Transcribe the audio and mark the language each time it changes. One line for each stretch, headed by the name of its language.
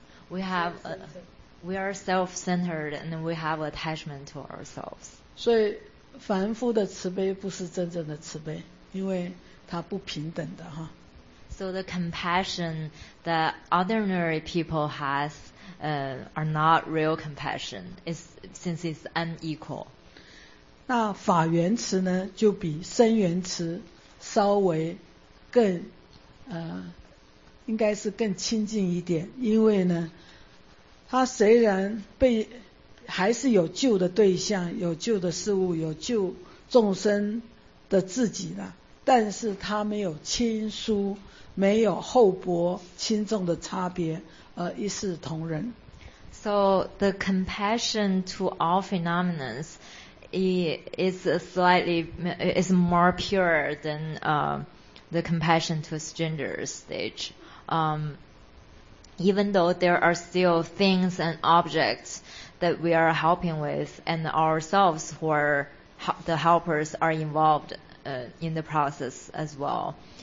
English: We are self-centered and we have attachment to ourselves.
Chinese: 所以凡夫的慈悲不是真正的慈悲，因为它不平等的哈。
English: So the compassion that ordinary people has are not real compassion, since it's unequal.
Chinese: 那法缘慈呢，就比生缘慈稍微更应该是更亲近一点，因为呢他虽然被还是有旧的对象、有旧的事物、有旧众生的自己呢，但是他没有亲疏、没有厚薄轻重的差别，而一视同仁。
English: So the compassion to all phenomena is more pure than the compassion to strangers stage. Even though there are still things and objects that we are helping with, and ourselves who are the helpers are involved in the process as well.